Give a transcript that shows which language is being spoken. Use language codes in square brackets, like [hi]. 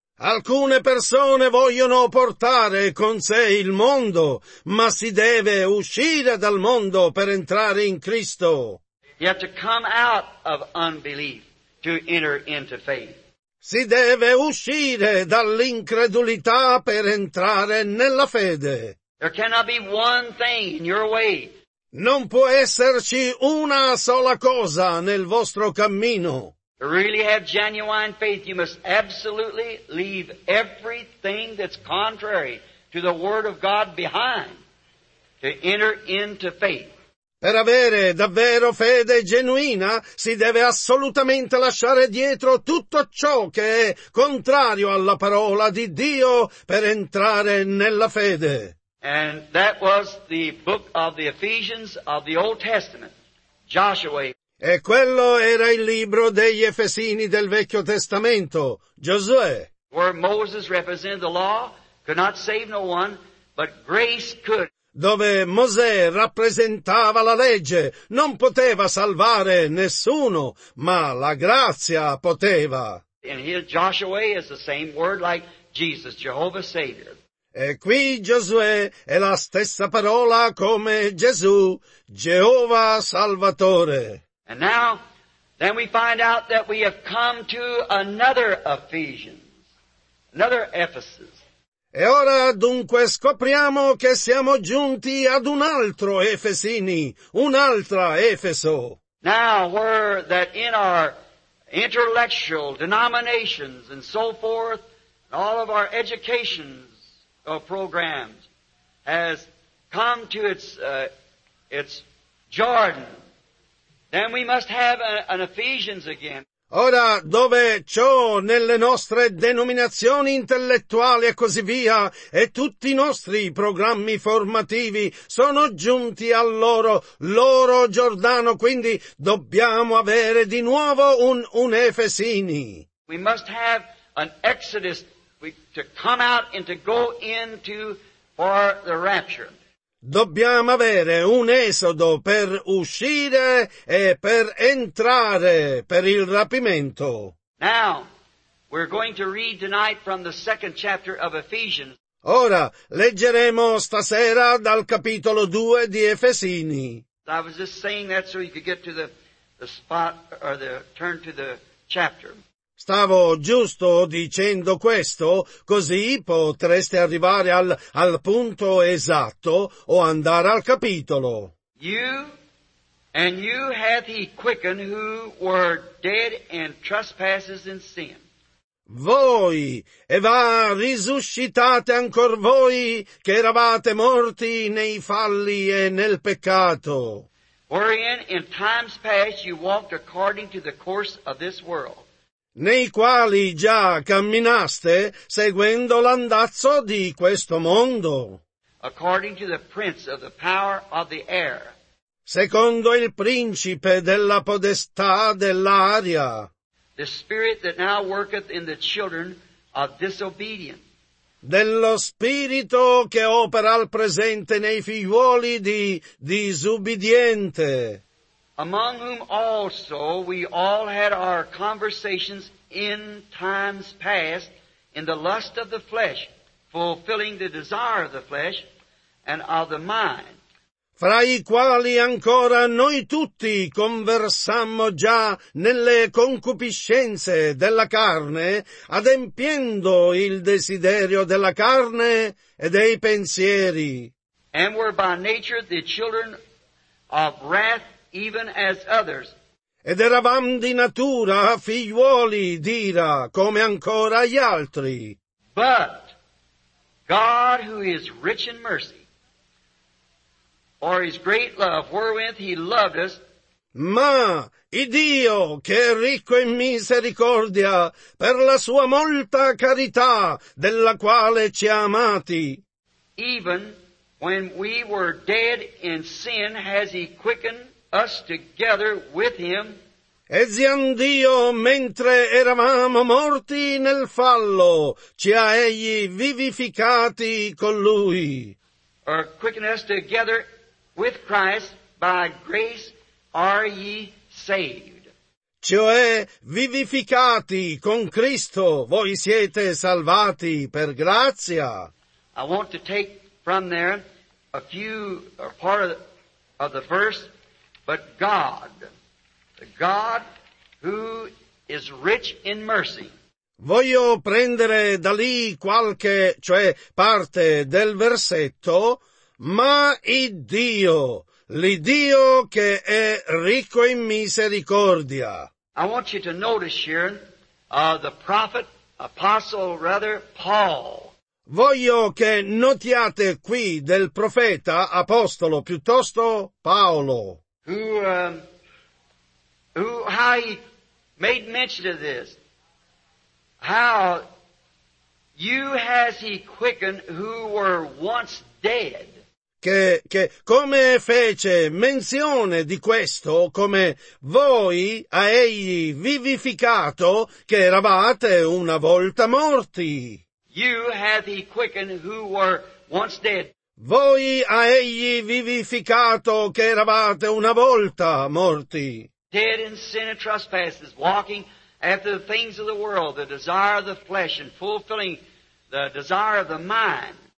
[it] Alcune persone vogliono portare con sé il mondo, ma si deve uscire dal mondo per entrare in Cristo. [en] You have to come out of unbelief to enter into faith. [it] Si deve uscire dall'incredulità per entrare nella fede. [en] There cannot be one thing in your way. [it] Non può esserci una sola cosa nel vostro cammino. [en] To really have genuine faith, you must absolutely leave everything that's contrary to the Word of God behind to enter into faith. [it] Per avere davvero fede genuina, si deve assolutamente lasciare dietro tutto ciò che è contrario alla parola di Dio per entrare nella fede. [en] And that was the book of the Ephesians of the Old Testament, Joshua. [it] E quello era il libro degli Efesini del Vecchio Testamento, Giosuè. [en] Where Moses represented the law, could not save no one, but grace could. [it] Dove Mosè rappresentava la legge, non poteva salvare nessuno, ma la grazia poteva. [en] And here Joshua is the same word like Jesus, Jehovah Savior. [it] E qui Giosuè è la stessa parola come Gesù, Geova Salvatore. [en] And now, then we find out that we have come to another Ephesians, another Ephesus. [it] E ora dunque scopriamo che siamo giunti ad un altro Efesini, un'altra Efeso. [en] Now, where that in our intellectual denominations and so forth, and all of our education programs has come to its Jordan, then we must have an Ephesians again. [it] Ora, dove ciò nelle nostre denominazioni intellettuali e così via, e tutti i nostri programmi formativi sono giunti al loro Giordano, quindi dobbiamo avere di nuovo un Efesini. [en] We must have an Exodus to come out and to go into for the rapture. [it] Dobbiamo avere un esodo per uscire e per entrare per il rapimento. [en] Now, we're going to read tonight from the second chapter of Ephesians. [it] Ora, leggeremo stasera dal capitolo 2 di Efesini. [en] I was just saying that so you could get to the spot or the turn to the chapter. [it] Stavo giusto dicendo questo, così potreste arrivare al punto esatto o andare al capitolo. [en] You and you hath he quickened who were dead in trespasses and sin. [it] Voi, e va risuscitate ancor voi che eravate morti nei falli e nel peccato. [en] Wherein in times past you walked according to the course of this world. [it] Nei quali già camminaste seguendo l'andazzo di questo mondo. [en] According to the prince of the power of the air. [it] Secondo il principe della podestà dell'aria. [en] The spirit that now worketh in the children of disobedience. [it] Dello spirito che opera al presente nei figliuoli di disubbidiente. [en] Among whom also we all had our conversations in times past, in the lust of the flesh, fulfilling the desire of the flesh and of the mind. [it] Fra i quali ancora noi tutti conversammo già nelle concupiscenze della carne, adempiendo il desiderio della carne e dei pensieri. [en] And were by nature the children of wrath, even as others. [it] Ed eravam di natura figliuoli d'ira, come ancora gli altri. [en] But God, who is rich in mercy, for his great love, wherewith he loved us. [it] Ma Iddio, che è ricco in misericordia, per la sua molta carità, della quale ci ha amati. [en] Even when we were dead in sin, has he quickened us together with him. [it] E zian Dio, mentre eravamo morti nel fallo, ci ha egli vivificati con lui. [en] Or quicken us together with Christ, by grace are ye saved. [it] cioè vivificati con Cristo, voi siete salvati per grazia. [en] I want to take from there a few or part of the verse, but God, the God who is rich in mercy. [it] Voglio prendere da lì qualche, cioè parte del versetto, ma l'Iddio che è ricco in misericordia. [en] I want you to notice here, the prophet, apostle rather, Paul. [it] Voglio che notiate qui del profeta, apostolo, piuttosto Paolo. [en] How he made mention of this. How you has he quickened who were once dead. [it] Che come fece menzione di questo, come voi a egli vivificato che eravate una volta morti. [en] You hath he quickened who were once dead. [it] Voi a egli vivificato che eravate una volta morti. [en] Dead in sin and trespasses, walking after the things of the world, the desire of the flesh, and fulfilling the desire of the mind.